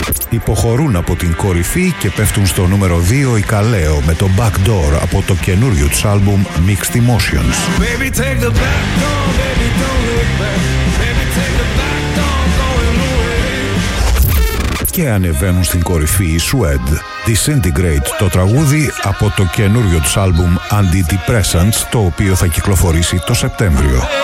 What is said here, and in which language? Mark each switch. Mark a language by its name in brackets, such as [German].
[Greek] Υποχωρούν από την κορυφή και πέφτουν στο νούμερο 2 η Καλέο με το Backdoor από το καινούριο τους άλμπουμ Mixed Emotions. [English] Baby, take the back door, baby, don't look back. Baby, take the back door, going away. [Greek] Και ανεβαίνουν στην κορυφή η Swed. Disintegrate το τραγούδι από το καινούριο τους άλμπουμ Antidepressants, το οποίο θα κυκλοφορήσει το Σεπτέμβριο.